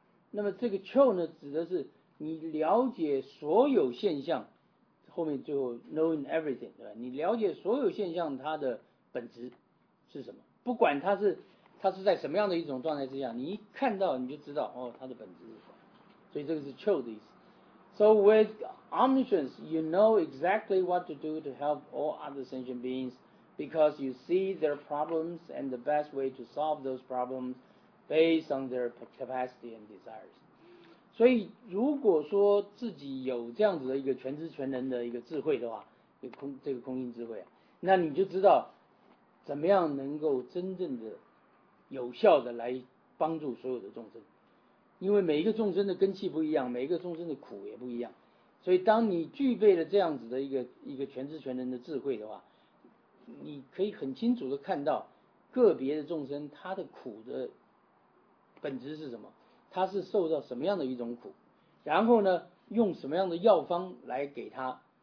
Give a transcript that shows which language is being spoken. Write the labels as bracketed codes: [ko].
[zh] 那么这个 chō 呢指的是你了解所有现象，后面最后 [en] knowing everything， [zh] 对吧？你了解所有现象它的本质是什么？不管它是在什么样的一种状态之下，你一看到你就知道哦，它的本质是什么。所以这个是 chō 的意思。 [en] So with omniscience, you know exactly what to do to help all other sentient beings because you see their problems and the best way to solve those problems based on their capacity and desires. [zh] 所以如果说自己有这样子的一个全知全能的一个智慧的话，这个空性智慧，那你就知道怎么样能够真正的有效的来帮助所有的众生。因为每一个众生的根器不一样，每一个众生的苦也不一样，所以当你具备了这样子的一个全知全能的智慧的话，你可以很清楚的看到个别的众生他的苦的本质是什么，他是受到什么样的一种苦，然后呢用什么样的药方来给他，